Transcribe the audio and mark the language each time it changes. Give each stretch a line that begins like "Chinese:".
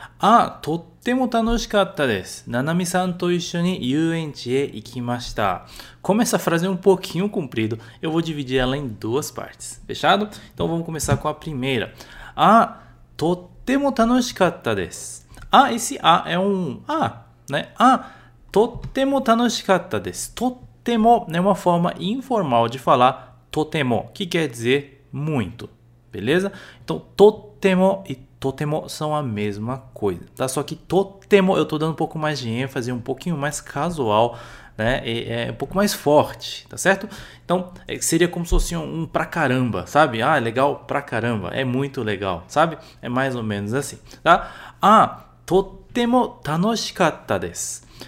Japanese: Ah, とっても楽しかったです。ナナミさんと一緒に遊園地へ行きました。
Portuguese: Como essa frase é um pouquinho comprido, eu vou dividir ela em duas partes, fechado? Então vamos começar com a primeira.
Japanese: Ah, とっても楽しかったです。
Portuguese: Ah, esse a é um a, né?
Japanese: Ah, とっても楽しかったです。
Portuguese: とっても é uma forma informal de falar とても、que quer dizer muito, beleza? Então とても e とても são a mesma coisa, tá? Só que とても eu tô dando um pouco mais de ênfase, um pouquinho mais casual, né? É um pouco mais forte, tá certo? Então seria como se fosse um pra caramba, sabe? Ah, legal pra caramba, é muito legal, sabe? É mais ou menos assim, tá?
Japanese: Ah, とても楽しかったです。